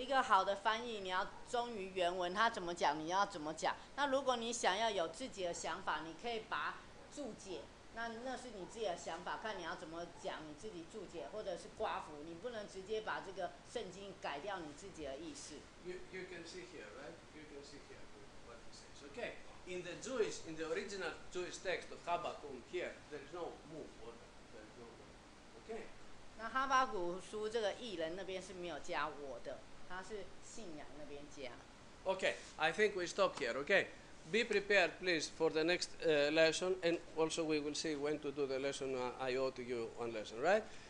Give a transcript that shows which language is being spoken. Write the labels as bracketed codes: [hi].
[zh] 一个好的翻译，你要忠于原文，他怎么讲你要怎么讲。那如果你想要有自己的想法，你可以把注解，那是你自己的想法，看你要怎么讲你自己注解，或者是刮胡，你不能直接把这个圣经改掉你自己的意思。 [en] You can see here, right? You can see here. Okay, in the Jewish, in the original Jewish text of Habakkuk here, there is no move or there is no word. Okay. [zh] 那哈巴谷书这个异人那边是没有加我的，他是信仰那边加。 [en] Okay, I think we stop here. Okay, be prepared, please, for the next lesson, and also we will see when to do the lesson. I owe to you one lesson, right?